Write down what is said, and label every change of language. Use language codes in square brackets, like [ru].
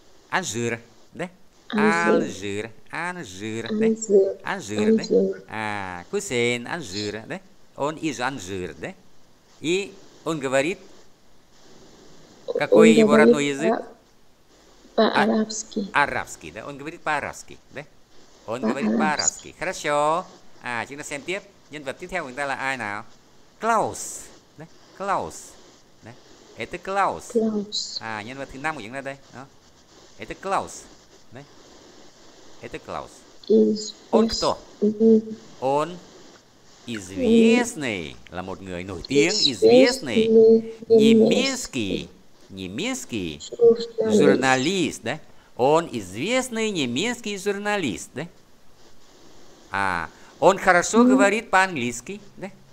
[ru] Анжир, да? Анжир, Анжир, да? Анжир, да? А, Хусейн, Анжир, да? Он из Анжир, да? И он говорит, какой Он его родной говорит язык? по-арабски. Арабский, да? Он говорит по-арабски, да? Он говорит По-арабски. по-арабски. Хорошо. А, [vi] chúng ta xem tiếp. Nhân vật tiếp theo của chúng ta là ai nào? Klaus, đấy. Klaus, đấy. [ru] Это Klaus. [vi] Klaus. À, nhân vật thứ năm của chúng ta đây. Đó. [ru] Это Klaus, [vi] đấy. [ru] Это Klaus. Он кто? Он известный, [vi] là một người nổi tiếng, [ru] известный, немецкий, немецкий журналист, да? Он известный немецкий журналист, да? А, он хорошо говорит по-английски, да?